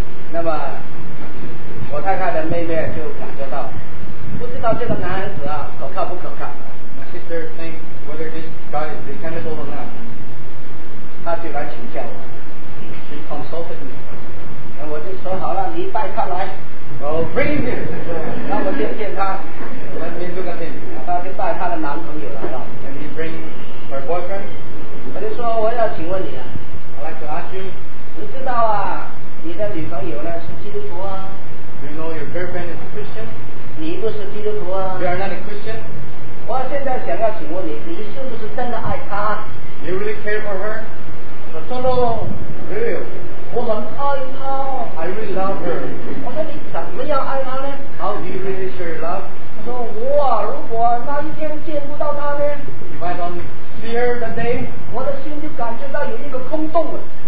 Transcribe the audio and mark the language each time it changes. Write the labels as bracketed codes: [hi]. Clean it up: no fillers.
[zh] 那么我太太的妹妹就感觉到，不知道这个男孩子啊可靠不可靠。 [en] My sister thinks whether this guy is dependable or not. [zh] 她就来请教我。 [en] She consulted me. [zh] 那我就说好了，你带他来。 [en] Well, bring him here. [zh] 那我就见他。 [en] Let me look at him. [zh] 他就带他的男朋友来了。 [en] Can he bring her boyfriend? [zh] 我就说我要请问你啊。 [en] I'd like to ask you. [zh] 你知道啊，你的女朋友呢是基督徒啊。 [en] Do you know your girlfriend is a Christian? [zh] 你不是基督徒啊。 [en] You are not a Christian. [zh] 我现在想要请问你，你是不是真的爱她？ [en] You really care for her? [zh] 我说 no. [en] Really? [zh] 我很爱她 [en] I really love her [zh] 我说你怎么样爱她呢 [en] How do you really show your love [zh] 她说我啊如果那一天见不到她呢 [en] If I don't see her that day [zh] 我的心就感觉到有一个空洞了